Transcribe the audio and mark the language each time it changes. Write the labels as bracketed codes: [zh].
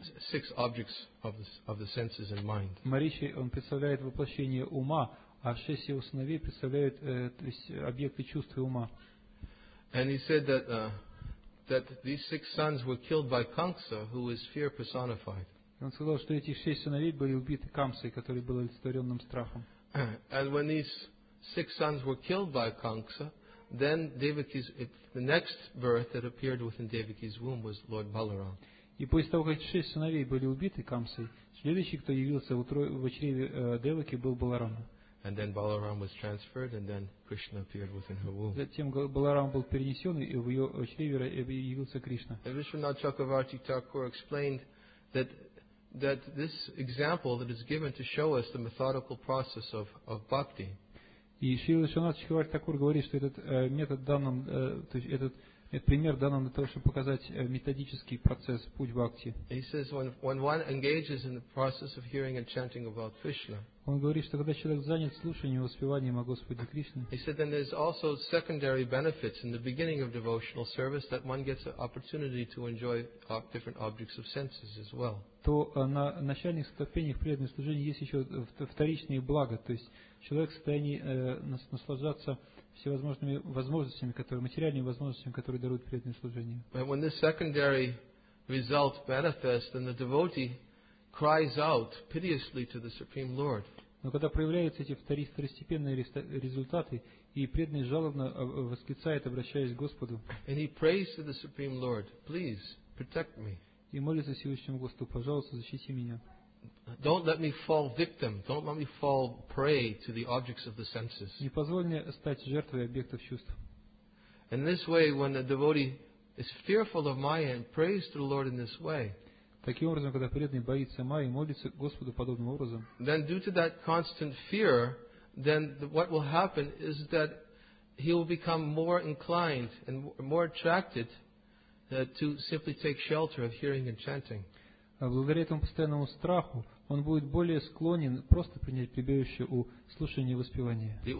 [en] six objects of the senses and mind. [ru] Маришей он представляет воплощение ума, а шесть его сыновей представляют то есть объекты чувства ума. [en] And he said that that these six sons were killed by Kamsa, who is fear personified. [ru] Он сказал, что эти шесть сыновей были убиты Камсой, который был олицетворенным страхом. [en] And when these six sons were killed by Kamsa, then Devaki's the next birth that appeared within Devaki's womb was Lord Balaram. [ru] И после того, как шесть сыновей были убиты Камсой, следующий, кто явился в чреве Деваки, был Баларама. [en] And then Balaram was transferred, and then Krishna appeared within her womb. [ru] Затем Баларам был перенесен, и в ее чреве явился Кришна. [en] Vishwanath Chakravarti Thakur explained that that this example that is given to show us the methodical process of bhakti. [ru] И Шрила Вишванатха Чакраварти Такур говорит, что этот метод данным, то есть этот это пример данным для того, чтобы показать методический процесс, путь бхакти. [en] He says when one engages in the process of hearing and chanting about Krishna. [ru] Он говорит, что когда человек занят слушанием и воспеванием о Господе Кришне. [en] He said then there's also secondary benefits in the beginning of devotional service that one gets an opportunity to enjoy different objects of senses as well. [ru] То на начальных ступенях преданного служения есть еще вторичные блага, то есть человек в состоянии наслаждаться всевозможными возможностями, которые, материальными возможностями, которые дарует преданное служение. [en] But when this secondary result manifests, then the devotee cries out piteously to the Supreme Lord. [ru] Но когда проявляются эти второстепенные результаты, и преданный жалобно восклицает, обращаясь к Господу. [en] And he prays to the Supreme Lord, please protect me. [ru] И молится Всевышнему Господу, пожалуйста, защити меня. [en] Don't let me fall victim. Don't let me fall prey to the objects of the senses. [ru] Не позволь мне стать жертвой объектов чувств. [en] In this way, when the devotee is fearful of Maya and prays to the Lord in this way, [ru] таким образом, когда преданный боится Майи и молится Господу подобным образом, [en] then due to that constant fear, then what will happen is that he will become more inclined and more attracted to simply take shelter of hearing and chanting. [ru] Благодаря этому постоянному страху, он будет более склонен просто принять прибежище у слушания и воспевания.